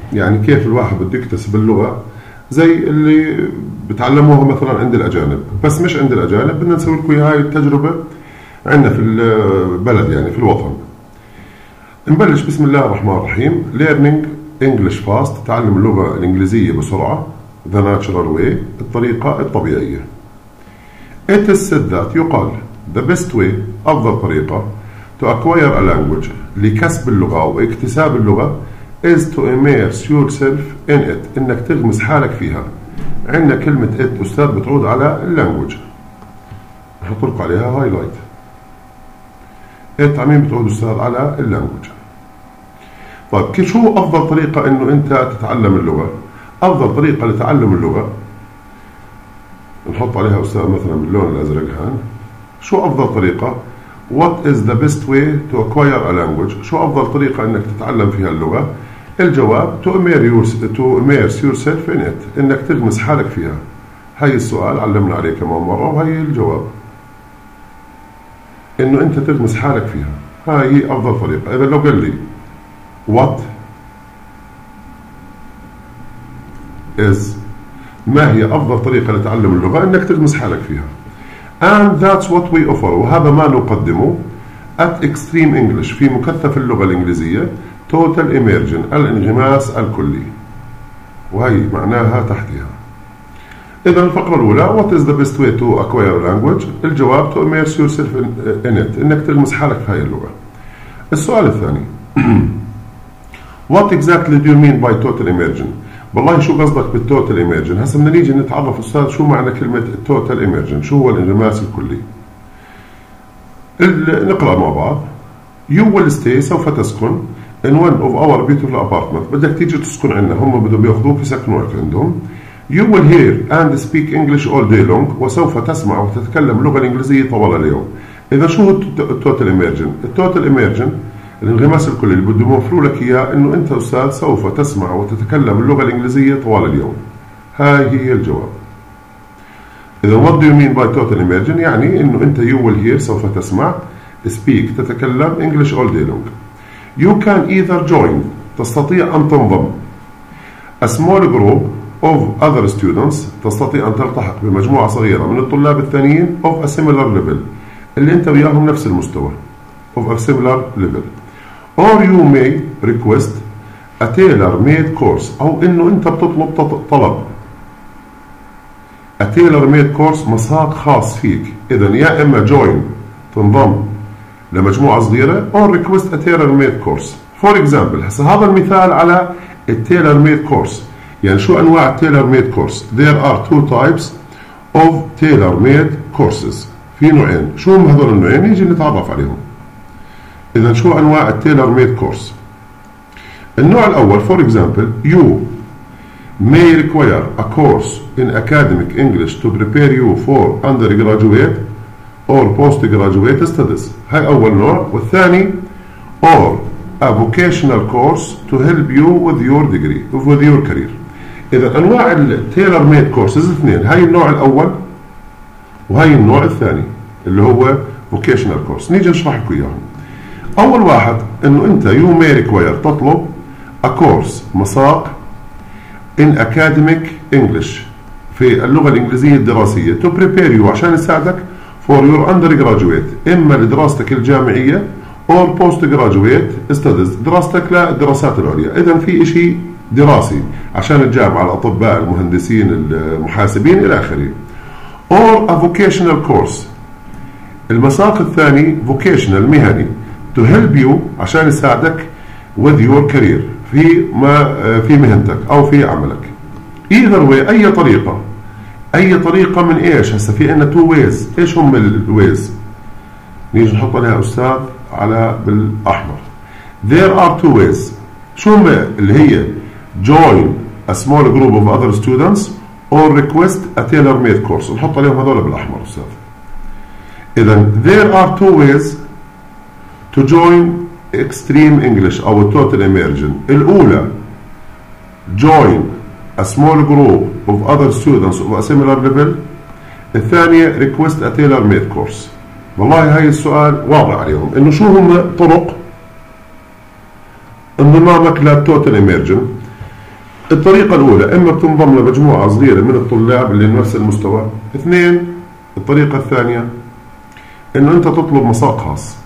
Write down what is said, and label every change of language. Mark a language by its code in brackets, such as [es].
[ar] يعني كيف الواحد بده يكتسب اللغة زي اللي بتعلموها مثلا عند الأجانب، بس مش عند الأجانب، بدنا نسوي لكم هاي التجربة عندنا في البلد يعني في الوطن. نبلش بسم الله الرحمن الرحيم. [en] Learning English Fast، [ar] تعلم اللغة الإنجليزية بسرعة، [en] The Natural Way، [ar] الطريقة الطبيعية. [en] It is said that، [ar] يقال، [en] The best way، [ar] أفضل طريقة، [en] to acquire a language، [ar] لكسب اللغة واكتساب اللغة، [en] is to immerse yourself in it، [ar] إنك تغمس حالك فيها. عندنا كلمة it أستاذ بتعود على language، نحط لكم عليها highlight. It عمين بتعود أستاذ على language. طيب كيف، شو أفضل طريقة إنه أنت تتعلم اللغة؟ أفضل طريقة لتعلم اللغة، نحط عليها أستاذ مثلاً باللون الأزرق هان، شو أفضل طريقة؟ [en] What is the best way to acquire a language؟ [ar] شو أفضل طريقة إنك تتعلم فيها اللغة؟ الجواب [en] to immerse yourself in it، [ar] إنك تغمس حالك فيها. هاي السؤال علمنا عليه كمان مرة، وهي الجواب إنه أنت تغمس حالك فيها، هاي أفضل طريقة. إذا لو قال لي [en] What is، [ar] ما هي أفضل طريقة لتعلم اللغة؟ إنك تغمس حالك فيها. [en] And that's what we offer، [ar] وهذا ما نقدمه. [en] At Extreme English، [ar] في مكثف اللغة الإنجليزية. Total Immersion، الانغماس الكلي، وهي معناها تحتها. [en] إذا الفقرة الأولى، What is the best way to acquire a language؟ الجواب to immerse yourself in it، [ar] إنك تغمس حالك في هاي اللغة. السؤال الثاني، [en] What exactly do you mean by total immersion؟ [ar] بالله شو قصدك بالtotal immersion؟ هسا بدنا نيجي نتعرف أستاذ شو معنى كلمة total immersion، شو هو الانغماس الكلي. نقرأ مع بعض. [en] You will stay، [ar] سوف تسكن، [en] in one of our beautiful apartments، [ar] بدك تيجي تسكن عندنا، هم بدهم يأخذوك يسكنوك عندهم. [en] You will hear and speak English all day long، [ar] وسوف تسمع وتتكلم اللغة الإنجليزية طوال اليوم. إذا شو total immersion؟ total immersion الانغماس الكلي اللي بده يوفروا لك اياه انه انت استاذ سوف تسمع وتتكلم اللغه الانجليزيه طوال اليوم. هاي هي الجواب. [en] اذا what do you mean by total immersion؟ يعني انه انت you will hear، [ar] سوف تسمع، [en] speak، تتكلم English all day long. You can either join، [ar] تستطيع ان تنضم، [en] a small group of other students، [ar] تستطيع ان تلتحق بمجموعه صغيره من الطلاب الثانيين، [en] of a similar level، [ar] اللي انت وياهم نفس المستوى، [en] of a similar level. Or you may request a tailor-made course، [ar] أو إنه أنت بتطلب طلب [en] a tailor-made course، [ar] مساق خاص فيك. إذا يا إما join، تنضم لمجموعة صغيرة، [en] or request a tailor-made course. For example، [ar] هسا هذا المثال على [en] a tailor-made course. [ar] يعني شو أنواع tailor-made course؟ [en] There are two types of tailor-made courses، [ar] في نوعين. شو هم هذول النوعين؟ يجي نتعرف عليهم. إذن شو أنواع التيلر ميد كورس؟ النوع الأول، [en] for example، you may require a course in academic English to prepare you for undergraduate or postgraduate studies، [ar] هاي أول نوع. [en] والثاني، or a vocational course to help you with your degree، with your career. [ar] إذن أنواع التيلر ميد كورسز اثنين، هاي النوع الأول وهاي النوع الثاني اللي هو vocational course. نيجي نشرح لكم إياهم. أول واحد، إنه أنت [en] you may require، [ar] تطلب a course، مساق [en] in academic English، [ar] في اللغة الإنجليزية الدراسية، [en] to prepare you، [ar] عشان يساعدك [en] for your undergraduate، [ar] إما لدراستك الجامعية [en] or postgraduate studies، [ar] دراستك للدراسات العليا. إذا في إشي دراسي عشان الجامعة، الأطباء، المهندسين، المحاسبين إلى آخره. [en] or a vocational course، [ar] المساق الثاني vocational، مهني، [en] to help you، [ar] عشان يساعدك [en] with your career، [ar] في ما في مهنتك او في عملك. [en] either way، [ar] اي طريقة، اي طريقة من ايش؟ هسا في عنا two ways، ايش هم الways؟ نيجي نحط عليها استاذ على بالاحمر. [en] there are two ways، شو هم اللي هي؟ join a small group of other students or request a tailor made course، [ar] نحط عليهم هذول بالاحمر استاذ. [en] اذا there are two ways to join Extreme English أو Total Immersion. الأولى join a small group of other students of a similar level. [ar] الثانية request a tailor-made course. والله هاي السؤال واضح عليهم انه شو هم طرق انضمامك للتوتال اميرجن. الطريقة الاولى اما بتنضم لمجموعة صغيرة من الطلاب اللي نفس المستوى. اثنين الطريقة الثانية انه انت تطلب مساق خاص.